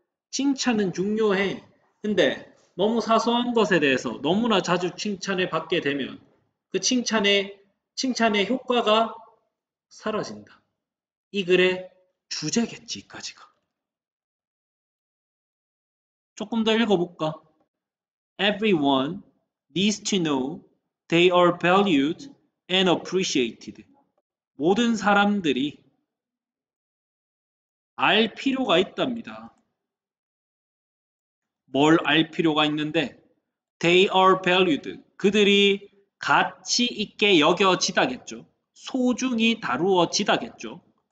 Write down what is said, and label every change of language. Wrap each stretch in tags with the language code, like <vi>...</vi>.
<ko>칭찬은 중요해. 근데 너무 사소한 것에 대해서 너무나 자주 칭찬을 받게 되면 그 칭찬의 효과가 사라진다. 이 글의 주제겠지, 이까지가. 조금 더 읽어볼까?</ko> <en>Everyone needs to know they are valued and appreciated.</en> <ko>모든 사람들이 알 필요가 있답니다. 뭘알 필요가 있는데,</ko> <en>they are valued.</en> <ko>그들이 가치 있게 여겨지다겠죠. 소중히 다루어지다겠죠.</ko>